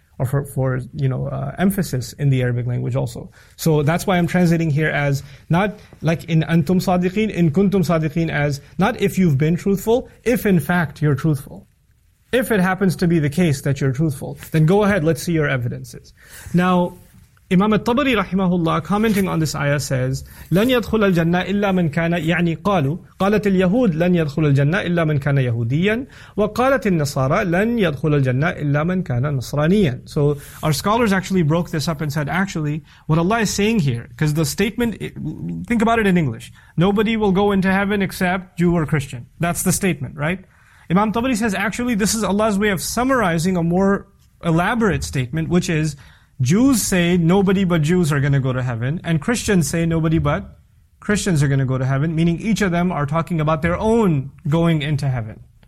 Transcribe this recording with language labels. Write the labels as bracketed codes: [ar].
[en] Or for emphasis in the Arabic language also. So that's why I'm translating here as not like [ar] in antum sadiqeen, in kuntum sadiqeen [en] as not if you've been truthful, if in fact you're truthful. If it happens to be the case that you're truthful, then go ahead, let's see your evidences. Now, Imam al-Tabari rahimahullah commenting on this ayah says, [ar] لَنْ يَدْخُلَ الْجَنَّةِ إِلَّا مَنْ كَانَ يَعْنِي قَالُوا قَالَتِ الْيَهُودِ لَنْ يَدْخُلَ الْجَنَّةِ إِلَّا مَنْ كَانَ يَهُودِيًّا وَقَالَتِ النَّصَارَى لَنْ يَدْخُلَ الْجَنَّةِ إِلَّا مَنْ كَانَ نَصْرَانِيًّا. [en] So our scholars actually broke this up and said, actually, what Allah is saying here, because the statement, think about it in English, nobody will go into heaven except Jew or Christian. That's the statement, right? Imam Tabari says, actually, this is Allah's way of summarizing a more elaborate statement, which is, Jews say nobody but Jews are going to go to heaven, and Christians say nobody but Christians are going to go to heaven, meaning each of them are talking about their own going into heaven.